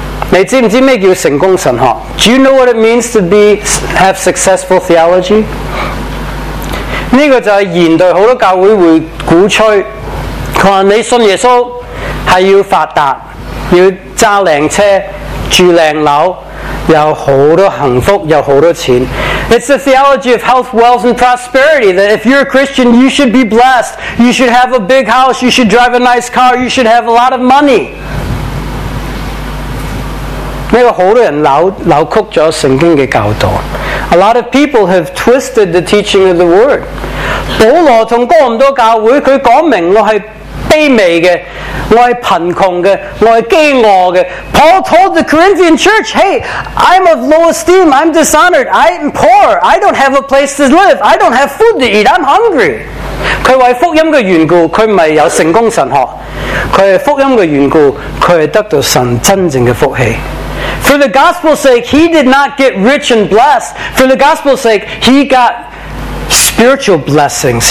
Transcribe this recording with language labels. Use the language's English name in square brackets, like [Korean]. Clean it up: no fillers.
[Chinese] 你知不知道什么叫成功神学？ [English] Do you know what it means to be, have successful theology? [Chinese] 这个就是现代很多教会会鼓吹，说你信耶稣是要发达，要揸靓车，住靓楼，有很多幸福，有很多钱。 [English] It's the theology of health, wealth, and prosperity, that if you're a Christian, you should be blessed. You should have a big house, you should drive a nice car, you should have a lot of money. [Chinese] 这个很多人扭曲了圣经的教导。 [English] A lot of people have twisted the teaching of the word. [Chinese] 保罗和哥林多教会，他说明我是卑微的，我是贫穷的，我是饥饿的。 [English] Paul told the Corinthian church, Hey, I'm of low esteem, I'm dishonored, I'm poor, I don't have a place to live, I don't have food to eat, I'm hungry. [Chinese] 他为福音的缘故，他不是有成功神学，他是福音的缘故，他是得到神真正的福气。 [English] For the gospel's sake, he did not get rich and blessed. For the gospel's sake, he got spiritual blessings.